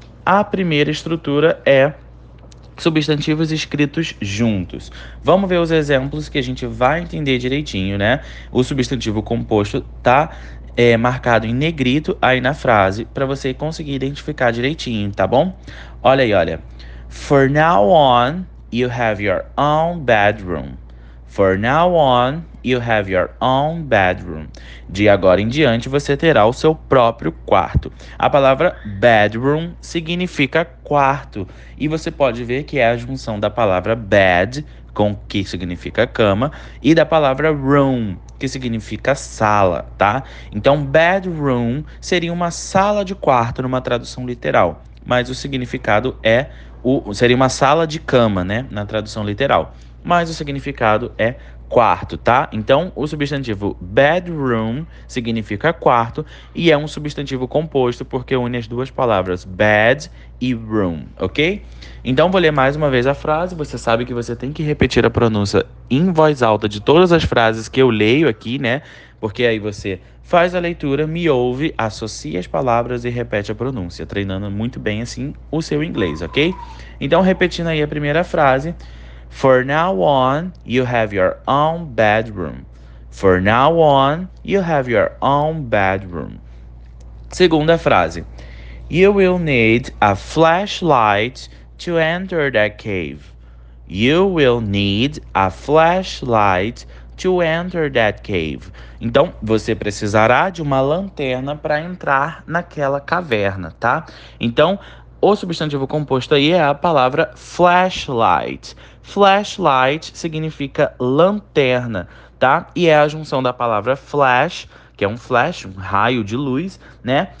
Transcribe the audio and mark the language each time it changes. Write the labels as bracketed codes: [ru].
[pt] A primeira estrutura é substantivos escritos juntos. Vamos ver os exemplos que a gente vai entender direitinho, né? O substantivo composto tá marcado em negrito aí na frase para você conseguir identificar direitinho, tá bom? Olha aí, olha. [en] For now on, you have your own bedroom. For now on, you have your own bedroom. [pt] De agora em diante, você terá o seu próprio quarto. A palavra bedroom significa quarto. E você pode ver que é a junção da palavra bed, com que significa cama, e da palavra room, que significa sala, tá? Então, bedroom seria uma sala de quarto numa tradução literal. Mas o significado é seria uma sala de cama, né? Na tradução literal. Mas o significado é quarto, tá? Então, o substantivo bedroom significa quarto e é um substantivo composto porque une as duas palavras bed e room, ok? Então, vou ler mais uma vez a frase. Você sabe que você tem que repetir a pronúncia em voz alta de todas as frases que eu leio aqui, né? Porque aí você faz a leitura, me ouve, associa as palavras e repete a pronúncia, treinando muito bem assim o seu inglês, ok? Então, repetindo aí a primeira frase. [en] For now on, you have your own bedroom. For now on, you have your own bedroom. [pt] Segunda frase. [en] You will need a flashlight to enter that cave. You will need a flashlight to enter that cave. [pt] Então, você precisará de uma lanterna para entrar naquela caverna, tá? Então, o substantivo composto aí é a palavra flashlight. Flashlight significa lanterna, tá? E é a junção da palavra flash, que é um flash, um raio de luz, né?